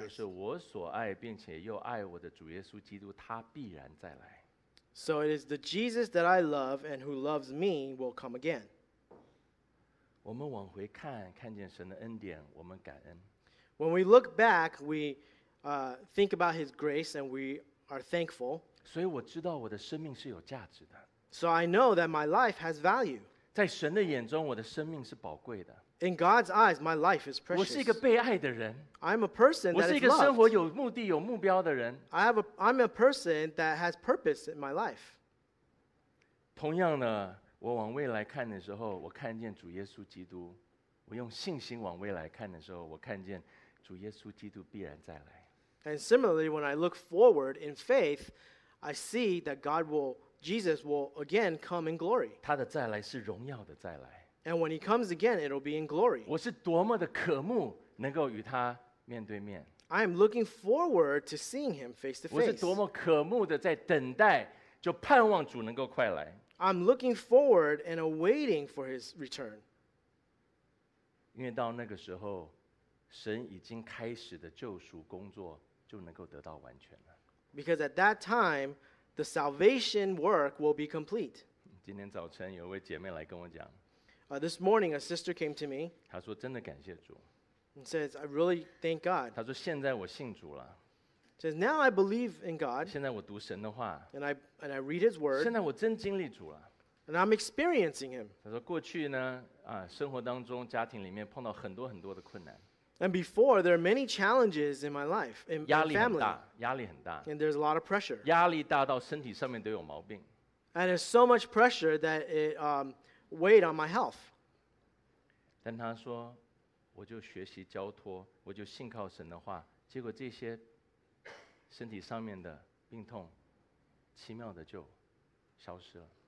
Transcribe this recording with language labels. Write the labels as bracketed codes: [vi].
[zh] 就是我所爱并且又爱我的主耶稣基督，他必然再来。 [en] So it is the Jesus that I love and who loves me will come again. [zh] 我们往回看，看见神的恩典，我们感恩。 [en] When we look back, we think about his grace and we are thankful. [zh] 所以我知道我的生命是有价值的。 [en] So I know that my life has value. [zh] 在神的眼中我的生命是宝贵的。 [en] In God's eyes, my life is precious. [zh] 我是一个被爱的人。 [en] I'm a person that is loved. [zh] 我是一个生活有目的有目标的人。 [en] I'm a person that has purpose in my life. [zh] 同样的，我往未来看的时候，我看见主耶稣基督。我用信心往未来看的时候，我看见主耶稣基督必然再来。 [en] And similarly, when I look forward in faith, I see that Jesus will again come in glory. [zh] 他的再来是荣耀的再来。 [en] And when he comes again, it'll be in glory. [zh] 我是多么的渴慕能够与他面对面。 [en] I am looking forward to seeing him face to face. [zh] 我是多么渴慕的在等待，就盼望主能够快来。 [en] I'm looking forward and awaiting for his return. [zh] 因为到那个时候，神已经开始的救赎工作就能够得到完全了。 [en] Because at that time, the salvation work will be complete. [zh] 今天早晨有一位姐妹来跟我讲。 [en] This morning, a sister came to me. [zh] 她说真的感谢主。 [en] And says, I really thank God. [zh] 她说现在我信主了。 [en] Says now I believe in God. [zh] 现在我读神的话。 [en] And I read His word. [zh] 现在我真经历主了。 [en] And I'm experiencing Him. [zh] 他说过去呢，啊，生活当中家庭里面碰到很多很多的困难。 [en] And before there are many challenges in my life, in my family. [zh] 压力很大，压力很大。 [en] And there's a lot of pressure. [zh] 压力大到身体上面都有毛病。 [en] And there's so much pressure that it weighed on my health. [zh] 但他说，我就学习交托，我就信靠神的话，结果这些。身体上面的病痛，奇妙的就消失了。